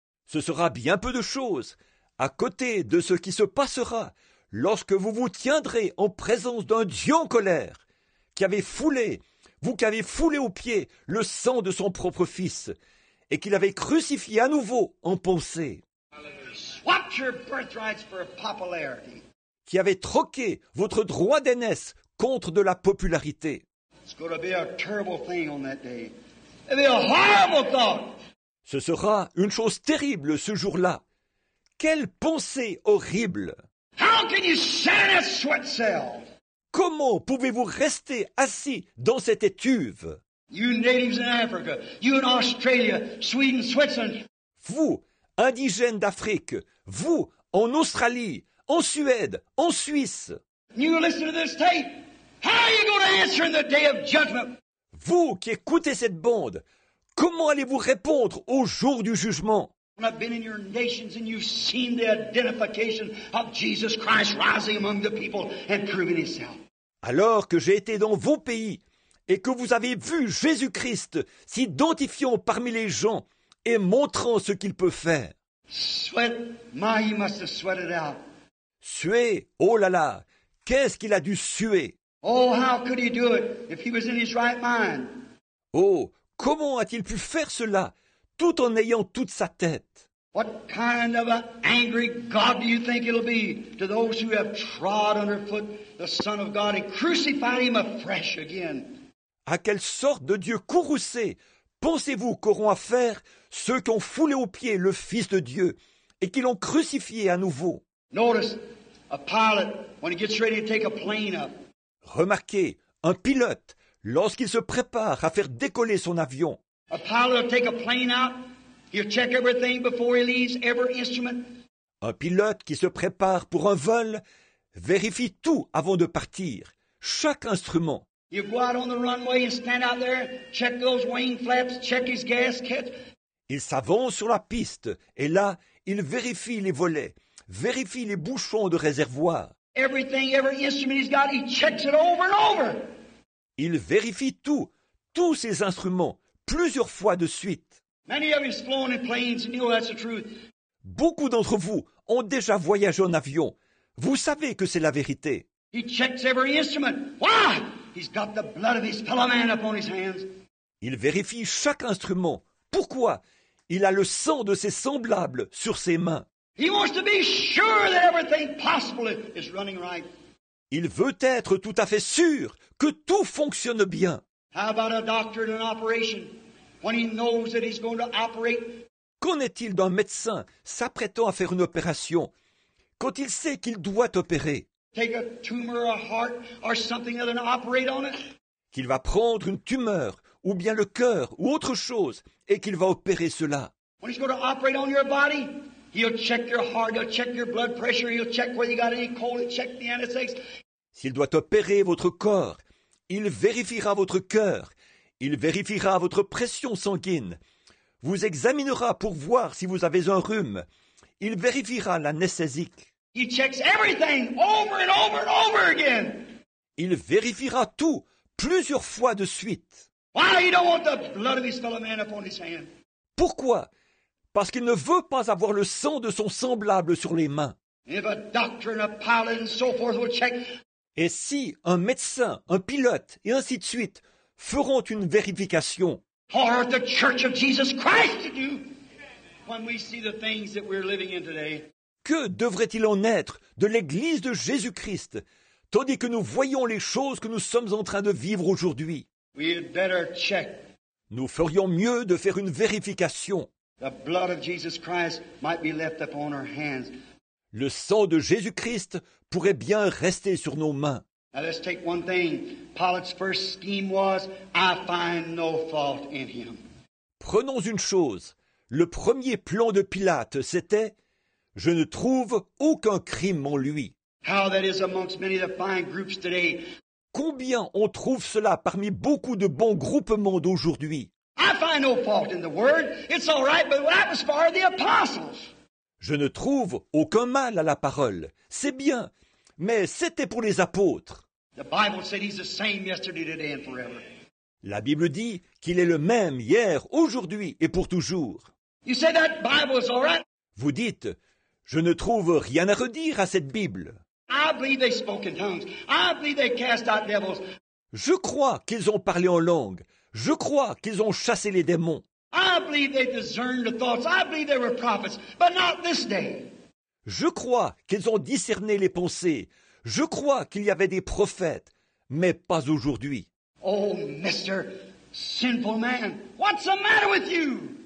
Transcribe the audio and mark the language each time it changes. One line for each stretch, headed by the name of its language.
French: Ce sera bien peu de choses à côté de ce qui se passera lorsque vous vous tiendrez en présence d'un Dieu en colère qui avait foulé, vous qui avez foulé aux pieds le sang de son propre fils et qu'il avait crucifié à nouveau en pensée.
English: Swap your birthrights for popularity.
French: Qui avait troqué votre droit d'aînesse contre de la popularité.
English: It's going to be a terrible thing on that day. It'll be a horrible thought.
French: Ce sera une chose terrible ce jour-là. Quelle pensée horrible!
English: How can you sit in a sweat cell?
French: Comment pouvez-vous rester assis dans cette étuve?
English: You natives in Africa, you in Australia, Sweden, Switzerland.
French: Vous, indigènes d'Afrique, vous, en Australie, en Suède, en Suisse.
English: You listen to this tape. How are you going to answer in the day of judgment?
French: Vous qui écoutez cette bande, comment allez-vous répondre au jour du jugement?
English: I've been in your nations and you've seen the identification of Jesus Christ rising among the people and proving himself.
French: Alors que j'ai été dans vos pays et que vous avez vu Jésus-Christ s'identifiant parmi les gens et montrant ce qu'il peut faire.
English: Sweat, my, he must have sweated out.
French: Suer, oh là là, qu'est-ce qu'il a dû suer?
English: Oh, how could he do it if he was in his right mind?
French: Oh, comment a-t-il pu faire cela tout en ayant toute sa tête?
English: What kind of an angry God do you think it'll be to those who have trod underfoot the Son of God and crucified him afresh again?
French: À quelle sorte de Dieu courroucé pensez-vous qu'auront affaire ceux qui ont foulé aux pieds le Fils de Dieu et qui l'ont crucifié à nouveau?
English: Notice a pilot when he gets ready to take a plane up.
French: Remarquez, un pilote lorsqu'il se prépare à faire décoller son avion.
English: A pilot will take a plane out. He'll check everything before he leaves, every instrument.
French: Un pilote qui se prépare pour un vol vérifie tout avant de partir, chaque instrument.
English: You go out on the runway and stand out there, check those wing flaps, check his gasket.
French: Il s'avance sur la piste et là, il vérifie les volets, vérifie les bouchons de réservoir.
English: Everything, every instrument he's got, he checks it over and over.
French: Il vérifie tout, tous ses instruments, plusieurs fois de suite.
English: Many of you've flown in planes and you know that's the truth.
French: Beaucoup d'entre vous ont déjà voyagé en avion. Vous savez que c'est la vérité.
English: He checks every instrument. Why? He's got the blood of his fellow man upon his hands.
French: Il vérifie chaque instrument. Pourquoi? Il a le sang de ses semblables sur ses mains.
English: He wants to be sure that everything possible is running right.
French: Il veut être tout à fait sûr que tout fonctionne bien.
English: How about a doctor in an operation when he knows that he's going to operate?
French: Qu'en est-il d'un médecin s'apprêtant à faire une opération quand il sait qu'il doit opérer?
English: Take a tumor, a heart, or something other than operate on it?
French: Qu'il va prendre une tumeur ou bien le cœur ou autre chose et qu'il va opérer cela.
English: When he's going to operate on your body, he'll check your heart, he'll check your blood pressure, he'll check whether you got any cold, he'll check the anesthetics.
French: S'il doit opérer votre corps, il vérifiera votre cœur, il vérifiera votre pression sanguine, vous examinera pour voir si vous avez un rhume, il vérifiera l'anesthésique.
English: He checks everything over and over and over again.
French: Il vérifiera tout plusieurs fois de suite.
English: Why he don't want the blood of his fellow man upon his hand?
French: Pourquoi? Parce qu'il ne veut pas avoir le sang de son semblable sur les mains.
English: If a doctor and a pilot and so forth will check.
French: Et si un médecin, un pilote et ainsi de suite feront une vérification?
English: Or the Church of Jesus Christ to do when we see the things that we're living in today?
French: Que devrait-il en être de l'Église de Jésus-Christ tandis que nous voyons les choses que nous sommes en train de vivre aujourd'hui?
English: We'd better check.
French: Nous ferions mieux de faire une vérification.
English: The blood of Jesus Christ might be left upon our hands.
French: Le sang de Jésus-Christ pourrait bien rester sur nos mains.
English: Now let's take one thing. Pilate's first scheme was, I find no fault in him.
French: Prenons une chose. Le premier plan de Pilate, c'était, je ne trouve aucun crime en lui.
English: How that is amongst many of the fine groups today.
French: Combien on trouve cela parmi beaucoup de bons groupements d'aujourd'hui?
English: I find no fault in the word. It's all right, but that was for the apostles.
French: Je ne trouve aucun mal à la parole. C'est bien, mais c'était pour les apôtres.
English: The Bible said he's the same yesterday, today, and forever.
French: La Bible dit qu'il est le même hier, aujourd'hui et pour toujours.
English: You say that Bible is all right?
French: Vous dites, je ne trouve rien à redire à cette Bible.
English: I believe they spoke in tongues. I believe they cast out devils.
French: Je crois qu'ils ont parlé en langue. Je crois qu'ils ont chassé les démons.
English: I believe they discerned the thoughts. I believe they were prophets, but not this day.
French: Je crois qu'ils ont discerné les pensées. Je crois qu'il y avait des prophètes, mais pas aujourd'hui.
English: Oh, Mr. Sinful Man, what's the matter with you?